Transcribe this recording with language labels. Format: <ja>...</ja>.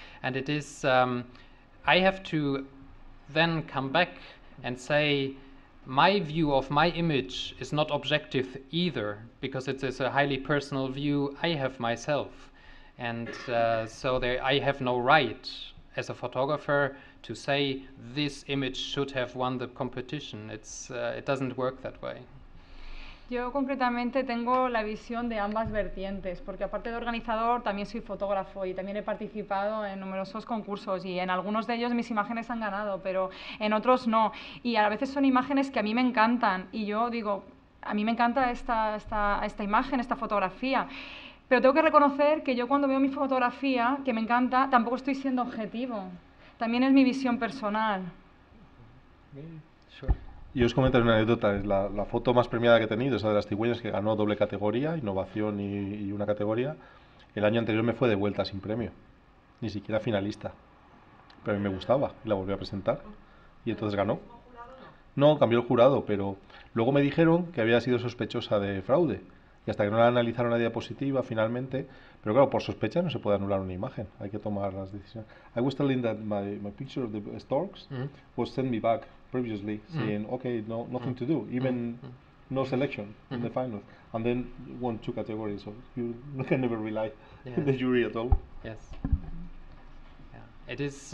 <en>And it is, I have to then come back and say, my view of my image is not objective either, because it is a highly personal view I have myself. And so there, I have no right as a photographer to say this image should have won the competition. It doesn't work that way.</en> <es>Yo concretamente tengo la visión de ambas vertientes, porque aparte de organizador también soy fotógrafo y también he participado en numerosos concursos y en algunos de ellos mis imágenes han ganado, pero en otros no. Y a veces son imágenes que a mí me encantan y yo digo, a mí me encanta esta imagen, esta fotografía. Pero tengo que reconocer que yo cuando veo mi fotografía, que me encanta, tampoco estoy siendo objetivo. También es mi visión personal.</es> <en>Sure.</en> <es>Yo os comento una anécdota. Es la foto más premiada que he tenido, esa de las cigüeñas, que ganó doble categoría, innovación y una categoría. El año anterior me fue de vuelta sin premio. Ni siquiera finalista. Pero a mí me gustaba. Y la volví a presentar. Y entonces ganó. No, cambió el jurado. Pero luego me dijeron que había sido sospechosa de fraude. Y hasta que no la analizaron la diapositiva, finalmente. Pero claro, por sospecha no se puede anular una imagen. Hay que tomar las decisiones.</es> <en>I was telling that my picture of the storks was sent me back previously, saying, okay, no, nothing to do, even no selection in the finals. And then won two categories, so you can never rely on the jury at all. Yes. Yeah. It is.</en>